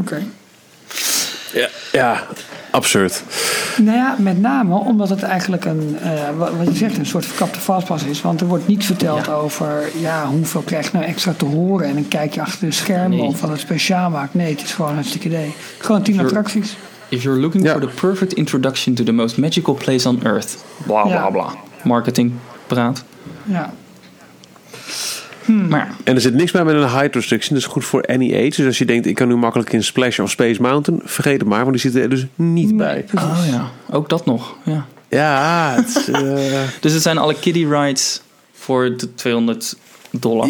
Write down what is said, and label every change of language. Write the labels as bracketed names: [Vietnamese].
[Dutch] Okay. Ja. Absurd. Nou ja, met name omdat het eigenlijk een, wat je zegt, een soort verkapte fastpass is. Want er wordt niet verteld over hoeveel krijg je nou extra te horen. En een kijkje achter de schermen of wat het speciaal maakt. Nee, het is gewoon een hartstikke idee. Gewoon 10 attracties. [English] If you're looking for the perfect introduction to the most magical place on earth. Blah, blah, blah. [Dutch] Marketing praat. Ja. Maar ja. En er zit niks bij met een height restriction. Dat is goed voor [English] any age. [Dutch] Dus als je denkt, ik kan nu makkelijk in Splash of Space Mountain. Vergeet het maar, want die zitten er dus niet bij. Oh ja, ook dat nog. Ja, ja het, dus het zijn alle kiddie rides voor de $200.